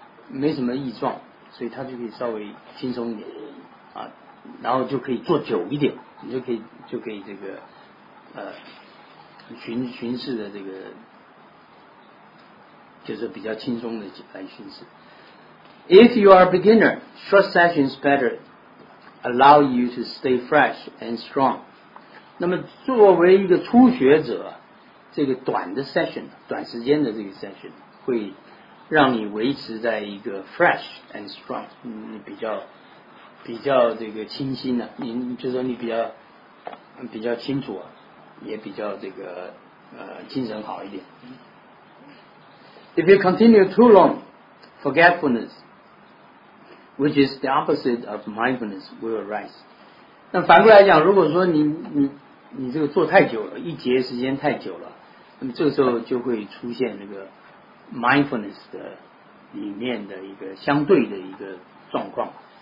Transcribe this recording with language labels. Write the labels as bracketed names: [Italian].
[Chinese] 没什么异状，所以他就可以稍微轻松一点啊，然后就可以做久一点，你就可以这个巡视的这个就是比较轻松的来巡视。 [English] If you are a beginner, short sessions better allow you to stay fresh and strong. [Chinese] 那么作为一个初学者，这个短的 session， 短时间的这个 session 会让你维持在一个 [English] fresh and strong， [Chinese] 你比较这个清新的、啊、你就说你比较清楚、啊、也比较这个精神好一点。 [English] If you continue too long, forgetfulness, which is the opposite of mindfulness, will arise. [Chinese] 那反过来讲，如果说你这个做太久了，一节时间太久了，那么这个时候就会出现那个 mindfulness 的里面的一个相对的一个状况。